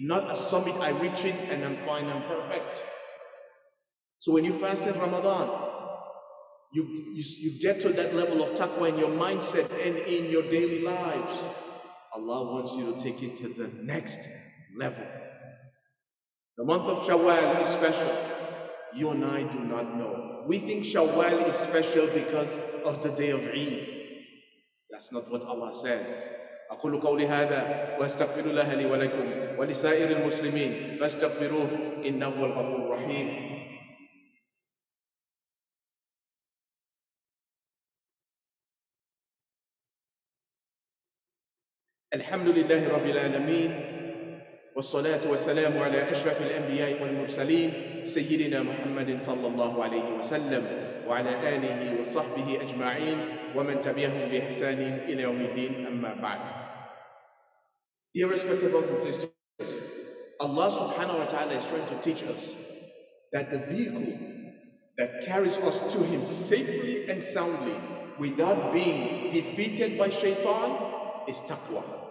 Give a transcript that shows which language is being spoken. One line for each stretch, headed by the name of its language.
English: Not a summit, I reach it and I'm fine, I'm perfect. So when you fast in Ramadan, you get to that level of taqwa in your mindset and in your daily lives. Allah wants you to take it to the next level. The month of Shawwal is special. You and I do not know. We think Shawwal is special because of the day of Eid. That's not what Allah says.
Arabic: أقول قولي هذا واستغفر الله لي ولكم ولسائر المسلمين فاستغفروه إنه هو الغفور الرحيم. الحمد لله رب العالمين والصلاة والسلام على أشرف الأنبياء والمرسلين سيدنا محمد صلى الله عليه وسلم وعلى آله وصحبه أجمعين ومن تبعهم بإحسان إلى يوم الدين أما بعد.
English: Dear respected brothers and sisters, Allah subhanahu wa ta'ala is trying to teach us that the vehicle that carries us to Him safely and soundly without being defeated by shaitan is taqwa.